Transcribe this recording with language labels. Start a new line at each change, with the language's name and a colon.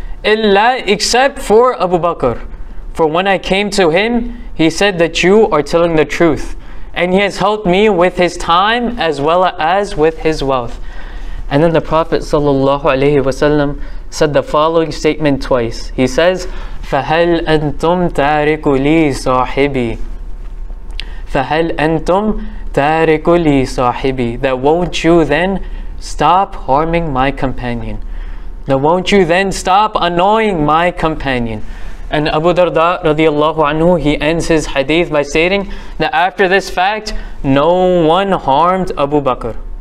English: Illa, except for Abu Bakr. For when I came to him, he said that you are telling the truth, and he has helped me with his time as well as with his wealth. And then the Prophet sallallahu alaihi wasallam said the following statement twice. He says,
Arabic: فَهَلْ أَنْتُمْ تَارِكُ لِي صَاحِبِي فَهَلْ أَنْتُمْ تَارِكُ لِي صَاحِبِي.
English: That won't you then stop harming my companion? That won't you then stop annoying my companion? And Abu Darda radiallahu anhu, he ends his hadith by stating that after this fact, no one harmed Abu Bakr.